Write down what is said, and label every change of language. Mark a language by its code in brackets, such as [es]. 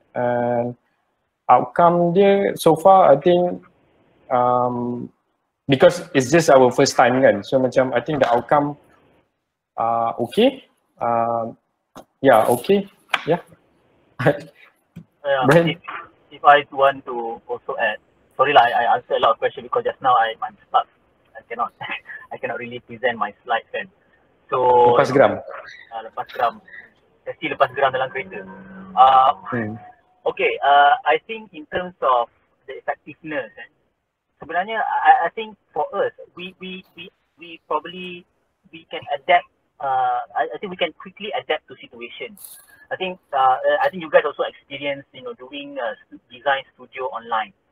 [en] And outcome dia so far, I think because it's just our first time kan, so macam I think the outcome okay. If I want to also add, sorry lah, I answer a lot of questions because just now I'm stuck. I cannot really present my slides then. So [ms] lepas geram. Mesti lepas geram dalam kereta. [en] Okay. I think in terms of the effectiveness, sebenarnya I think for us, we probably can adapt. I think we can quickly adapt to situations. I think you guys also experience, you know, doing a design studio online.